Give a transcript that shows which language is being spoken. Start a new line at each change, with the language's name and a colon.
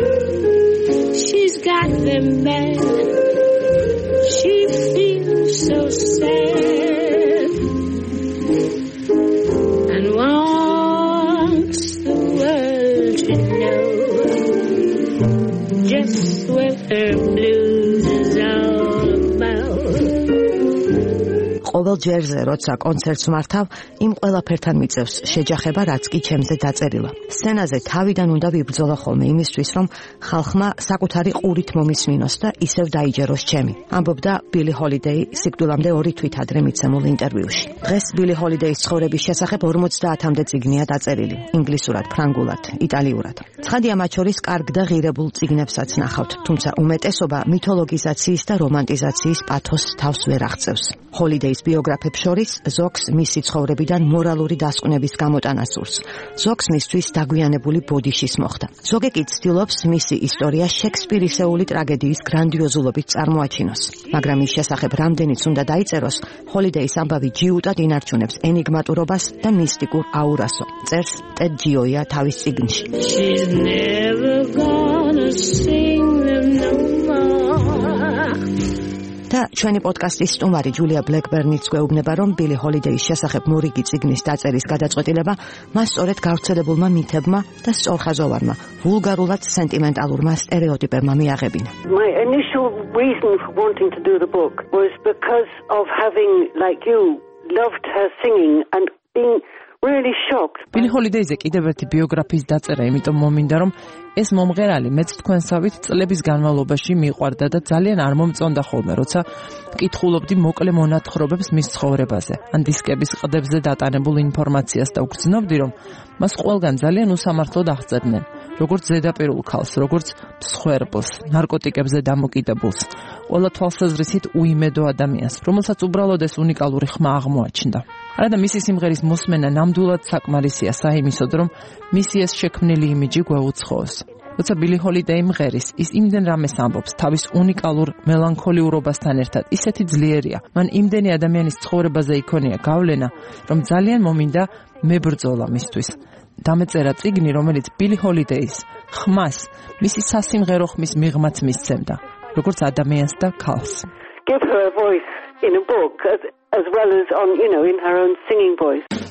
English: She's got the man, she feels so sad, and wants the world to know just what her blues is all about.
Georgian: ყოველ ჯერზე, როცა კონცერტს მართავ, იმ ყველაფერთან მიწევს შეჯახება, რაც კი ჩემზე დაწერილა. სცენაზე თავიდან უნდა ვიბრძოლო ხოლმე იმისთვის, რომ ხალხმა საკუთარი ყურით მომისმინოს და ისევ დაიჯეროს ჩემი, ამბობდა ბილი ჰოლიდეი სიკვდილამდე ორი თვით ადრე მიცემულ ინტერვიუში. დღეს ბილი ჰოლიდეის ცხოვრების შესახებ 50-მდე წიგნია დაწერილი, ინგლისურად, ფრანგულად, იტალიურად. ცხადია, მათ შორის კარგ და ღირებულ წიგნებსაც ნახავთ, თუმცა უმეტესობა მითოლოგიზაციის და რომანტიზაციის პათოსს თავს ვერ აღწევს. ჰოლიდეის ბიოგრაფებს შორის ზოგს მისი ცხოვრებიდან მორალური დასკვნების გამოტანა სურს, ზოგს მისთვის დაგვიანებული ბოდიშის მოხდა. ზოგი კი ცდილობს მისი ისტორია შექსპირისეული ტრაგედიის გრანდიოზულობით წარმოაჩინოს. მაგრამ ის შესახებ რამდენიც უნდა დაიწეროს, ჰოლიდეის ამბავი ჯიუტად ინარჩუნებს ენიგმატურობას და მისტიკურ აურასო, წერს ტედ ჯიოია თავის წიგნში.
English: She's never gonna sing them no more.
Georgian: და ჩვენი პოდკასტის სტუმარი ჯულია ბლეკბერნიც გვეუბნება, რომ ბილი ჰოლიდეის შესახებ მორიგი ციგნის დაწერის გადაწყვეტილება მას სწორედ გავრცელებულმა მითებმა და სწორხაზოვანმა, ვულგარულად სენტიმენტალურმა სტერეოტიპებმა მიაღებინა.
English: My initial reason for wanting to do the book was because of having, like you, loved her singing and being really shocked.
Georgian: ბილი ჰოლიდეიზე კიდევ ერთი ბიოგრაფიის დაწერა იმიტომ მომინდა, რომ ეს მომღერალი მეც თქვენსავით წლების განმავლობაში მიყვარდა და ძალიან არ მომწონდა ხოლმე, როცა მკითხულობდი მოკლე მონათხრობებს მის ცხოვრებაზე ან დისკების ყდებზე დატანებულ ინფორმაციას და გრძნობდი, რომ მას ყველგან ძალიან უსამართლოდ აღწერდნენ, როგორც ზედაპირულ ქალს, როგორც მსხვერპლს, ნარკოტიკებზე დამოკიდებულს, ყველა თვალსაზრისით უიმედო ადამიანს, რომელსაც უბრალოდ ეს უნიკალური ხმა აღმოაჩნდა. არა და მისი სიმღერის მოსმენა ნამდვილად საკმარისია საიმისოდ, რომ მისი ეს შექმნილი იმიჯი გვეუცხოოს. როცა ბილი ჰოლიდეი მღერის, ის იმდენ რამეს ამბობს თავის უნიკალურ მელანქოლიურობასთან ერთად, ისეთი ძლიერია, მან იმდენი ადამიანის ცხოვრებაზე იქონია გავლენა, რომ ძალიან მომინდა მებრძოლა მისთვის. დამეწერა წიგნი, რომელიც ბილი ჰოლიდეის ხმას მისი სასიმღერო ხმის მიღმაც მისცემდა, როგორც ადამიანს და ქალს.
English: Give her a voice in a book as well as on, you know, in her own singing voice.